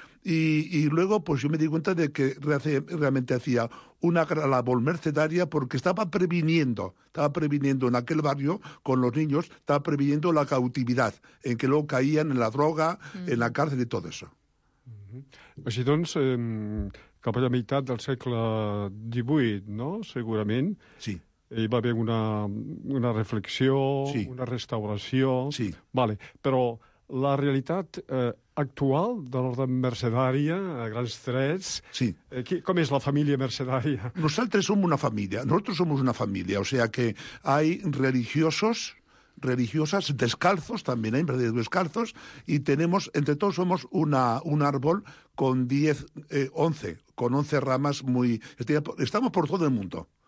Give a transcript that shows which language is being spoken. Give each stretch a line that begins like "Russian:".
Spanish: Y luego, pues yo me di cuenta de que realmente hacía una labor mercedaria, porque estaba previniendo en aquel barrio, con los niños, estaba previniendo la cautividad, en que luego caían en la droga, en la cárcel y todo eso. Mm-hmm.
Catalan: Així doncs, cap a la meitat del segle XVIII, no?, segurament. Sí. Hi va haver una reflexió, sí. Una restauració. Sí. Vale, però la realitat actual de l'ordre mercedària, a grans trets... Sí. Com és la família mercedària? Nosaltres som una família,
Spanish: o sea que hay religiosos, religiosas, descalzos, también hay mercedarios descalzos, y tenemos, entre todos somos un árbol con 10, 11, con 11 ramas muy... Estamos por todo el mundo.